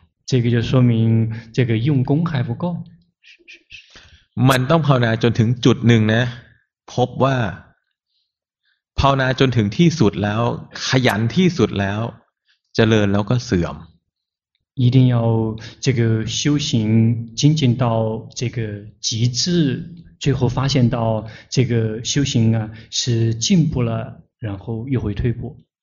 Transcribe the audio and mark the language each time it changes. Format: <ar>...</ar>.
<zh>这个就说明这个用功还不够</zh> <th>มันต้องภาวนาจนถึงจุดหนึ่งนะพบว่าภาวนาจนถึงที่สุดแล้วขยันที่สุดแล้วเจริญแล้วก็เสื่อม</th> <zh>一定要这个修行精进到这个极致最后发现到这个修行啊是进步了然后又会退步</zh>